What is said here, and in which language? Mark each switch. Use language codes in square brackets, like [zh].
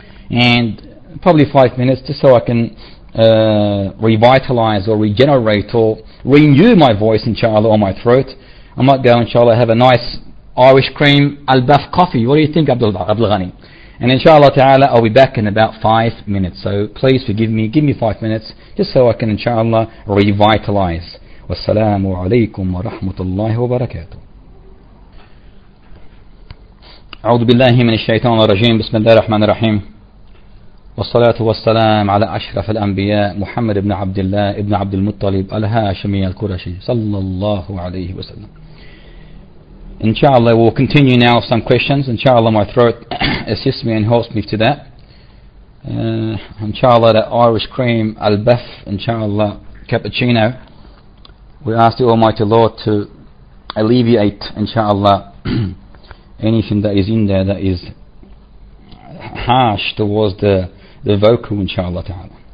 [en] And probably 5 minutes just so I can revitalize or regenerate or renew my voice, inshallah, or my throat. I might go, inshallah, have a nice Irish cream al Baf coffee. What do you think, Abd al Ghani? And inshallah ta'ala, I'll be back in about 5 minutes. So please forgive me. Give me 5 minutes just so I can, inshallah, revitalize. [ar] والسلام عليكم ورحمة الله وبركاته. أعوذ بالله من الشيطان الرجيم. بسم الله الرحمن الرحيم. والصلاة والسلام على أشرف الأنبياء محمد بن عبد الله ابن عبد المطلب الهاشمي الكرشي صلى الله عليه وسلم. [en] Inshallah, we'll continue now with some questions. Inshallah, my throat assists me and helps me to that. Inshallah, the Irish cream, al-baf, inshallah, cappuccino. We ask the Almighty Lord to alleviate, inshallah, anything that is in there that is harsh towards the vocal, inshallah ta'ala.